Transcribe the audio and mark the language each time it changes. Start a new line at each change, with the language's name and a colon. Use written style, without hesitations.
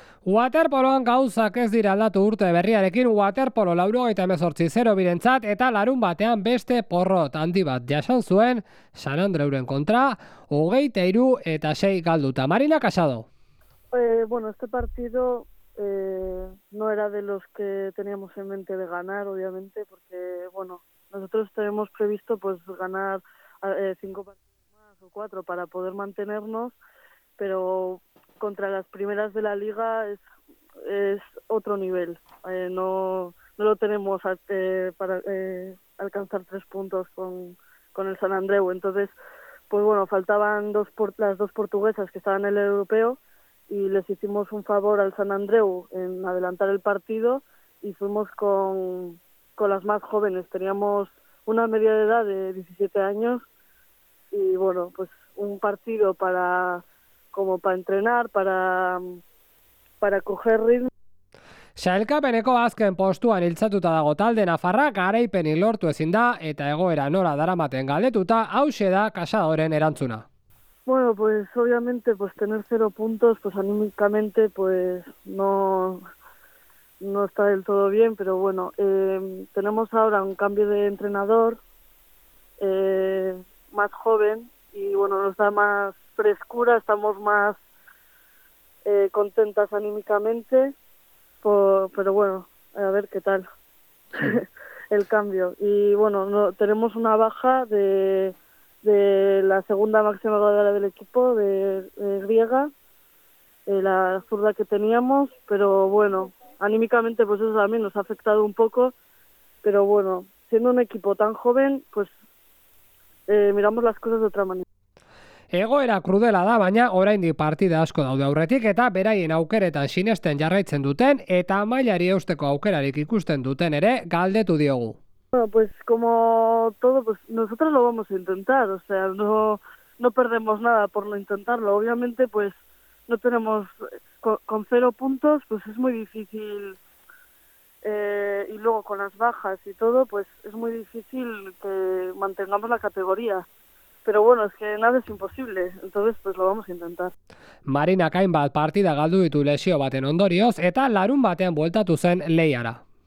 Basque: Waterpoloan gauzak ez dira aldatu urte berriarekin, Waterpolo 98-0 birentzat eta larun batean beste porrot handi bat jasan zuen San Andreuren kontra, 23-6 galduta. Marina Casado.
Spanish: Este partido no era de los que teníamos en mente de ganar, obviamente, porque bueno, nosotros tenemos previsto pues ganar 5 partidos más o 4 para poder mantenernos, pero contra las primeras de la liga es otro nivel. No lo tenemos para alcanzar 3 puntos con el San Andreu. Entonces, pues bueno, faltaban las dos portuguesas que estaban en el europeo y les hicimos un favor al San Andreu en adelantar el partido y fuimos con las más jóvenes. Teníamos una media de edad de 17 años y bueno, pues un partido para como para entrenar, para coger ritmo.
Basque: Sailkapeneko azken postuan iltzatuta dago talde nafarrak, garaipenik lortu ezin da eta egoera nola daramaten galdetuta, hauxe da Casadoren erantzuna.
Spanish: Bueno, pues obviamente pues tener 0 puntos pues anímicamente pues no está del todo bien, pero bueno, tenemos ahora un cambio de entrenador más joven y bueno, nos da más frescura, estamos más contentas anímicamente, pero bueno, a ver qué tal el cambio. Y bueno, no, tenemos una baja de la segunda máxima goleadora del equipo, de Griega, la zurda que teníamos, pero bueno, anímicamente pues eso también nos ha afectado un poco, pero bueno, siendo un equipo tan joven, pues miramos las cosas de otra manera.
Basque: Egoera krudela da, baina oraindik partida asko daude aurretik eta beraien aukeretan sinesten jarraitzen duten eta mailari eusteko aukerarik ikusten duten ere galdetu diogu.
Spanish: Bueno, pues como todo, pues nosotros lo vamos a intentar, o sea, no perdemos nada por lo intentarlo. Obviamente, pues no tenemos con 0 puntos, pues es muy difícil y luego con las bajas y todo, pues es muy difícil que mantengamos la categoría. Pero bueno, es que nada es imposible, entonces pues lo vamos a intentar.
Basque: Marina Kainbat partida galdu ditu lesio baten ondorioz eta larun batean bueltatu zen lehiara.